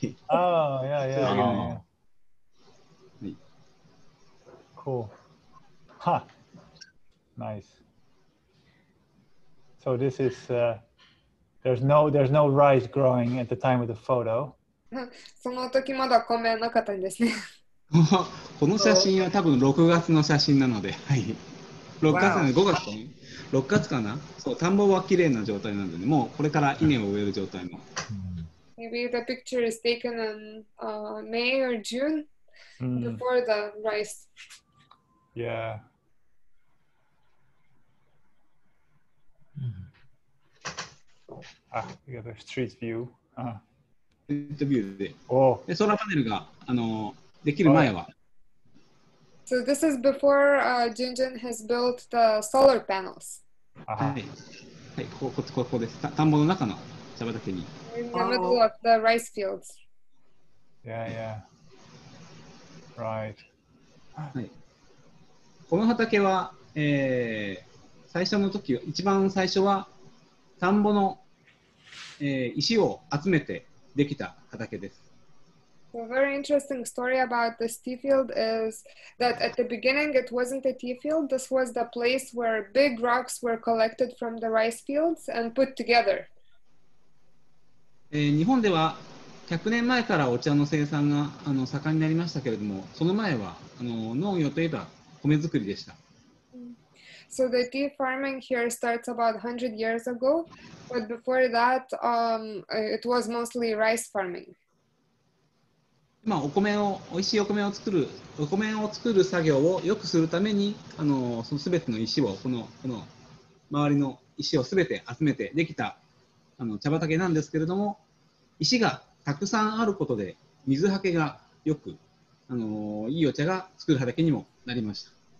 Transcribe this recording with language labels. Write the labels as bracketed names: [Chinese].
[English] Oh yeah, yeah. Oh. Cool. Ha. Nice. So this is there's no rice growing at the time of the photo. [Japanese] その時まだ米なかったんですね。この写真は多分6月の写真なので、はい。6月の5月に。6月かな？そう、田んぼは綺麗な状態なんでね、もうこれから稲を植える状態も。 [English] Maybe the picture is taken in May or June before the rice. Yeah. Ah, we got a street view. [Japanese] Street view で。 [English] Oh. [Japanese] で、ソーラーパネルができる前は。 [English] So this is before Junjun has built the solar panels. [Japanese] はい、ここです。田んぼの中の茶畑に。 [English] In the middle of the rice fields. Yeah, yeah. Right. [Japanese] この畑は、最初の時、一番最初は田んぼの、石を集めてできた畑です。 [English] A very interesting story about this tea field is that at the beginning it wasn't a tea field. This was the place where big rocks were collected from the rice fields and put together. [Japanese] 日本では100年前からお茶の生産が盛んになりましたけれども、その前は農業といえば米作りでした。 [English] So the tea farming here starts about 100 years ago, but before that, it was mostly rice farming. [Japanese] まあ、おいしいお米を作る作業をよくするために、そのすべての石を、この周りの石をすべて集めてできた茶畑なんですけれども、石がたくさんあることで水はけがよく、いいお茶が作る畑にもなりました。